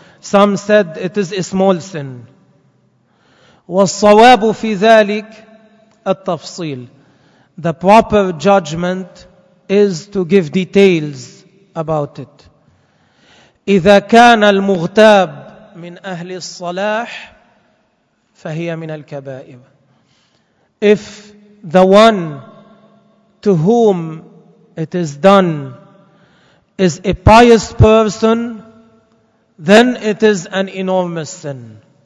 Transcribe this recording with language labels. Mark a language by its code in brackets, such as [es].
[en] Some said it is a small sin. [ar] والصواب في ذلك التفصيل. [en] The proper judgment is to give details about it. [ar] إذا كان المغتاب من أهل الصلاح فهي من الكبائر. [en] If the one to whom it is done is a pious person, then it is an enormous sin.